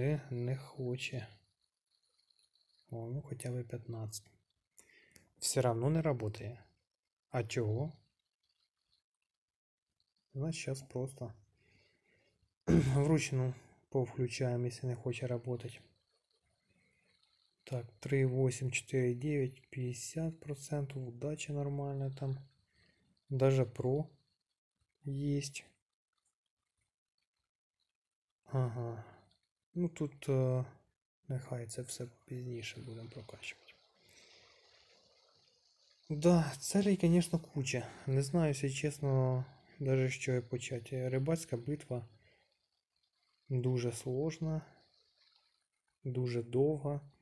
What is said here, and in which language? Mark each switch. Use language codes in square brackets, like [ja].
[uk] Не хоче. О, ну хоча б 15. [ru] Все равно не работає. [uk] А чого? Значить, зараз просто [ru] Вручную повключаем, если не хочет работать. Так, 3, 8, 4, 9, 50%. Удача нормальная там. Даже про есть. Ага. [uk] Ну тут нехай це все пізніше будемо прокачувати. [ru] Да, целей, конечно, куча. Не знаю, если честно, даже с чего почать. Рыбацкая битва дуже сложна, дуже довга.